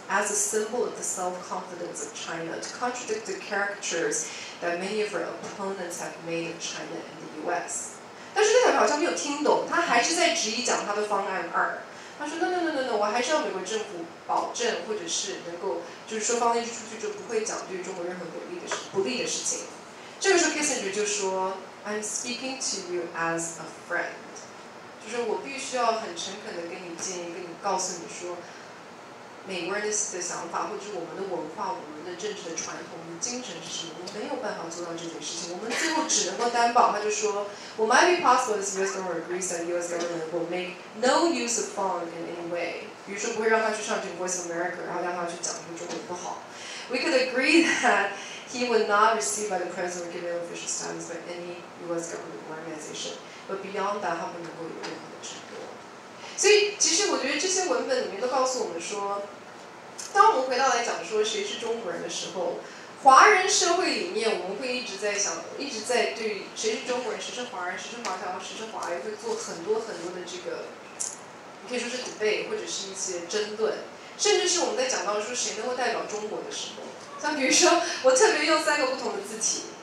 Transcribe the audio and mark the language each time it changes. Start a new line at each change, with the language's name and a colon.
English: As a symbol of the self-confidence of China, to contradict the caricatures that many of her opponents have made of China and the U.S.
Chinese: 但是邓小平好像没有听懂，他还是在执意讲他的方案二。他说 ：
English: “No,
Chinese: 我还是要美国政府保证，或者是能够，就是说方励之出去就不会讲对中国任何不利的事情。” 这个时候 ，Kissinger 就说 ：
English: “I'm speaking to you as a friend，
Chinese: 就是我必须要很诚恳的跟你建议，跟你告诉你说。” 美国人的想法，或者我们的文化、我们的政治的传统、我们的精神是什么？我们没有办法做到这件事情。我们最后只能够担保，他就说 ，
English: What might be possible is U.S. government agrees that U.S. government will make no use of Fong in any way。
Chinese: 比如说，不会让他去上这个 Voice of America， 然后让他去讲这个中文不好。
English: We could agree that he would not receive by the president or given official status by any U.S. government organization。 But beyond that，
Chinese: 他不能够有任何的承诺。所以，其实我觉得这些文本里面都告诉我们说，当我们回到来讲说谁是中国人的时候，华人社会里面我们会一直在想，一直在对谁是中国人，谁是华人，谁是华侨，谁是华裔，会做很多很多的这个，你可以说是 debate 或者是一些争论，甚至是我们在讲到说谁能够代表中国的时候，像比如说我特别用三个不同的字体。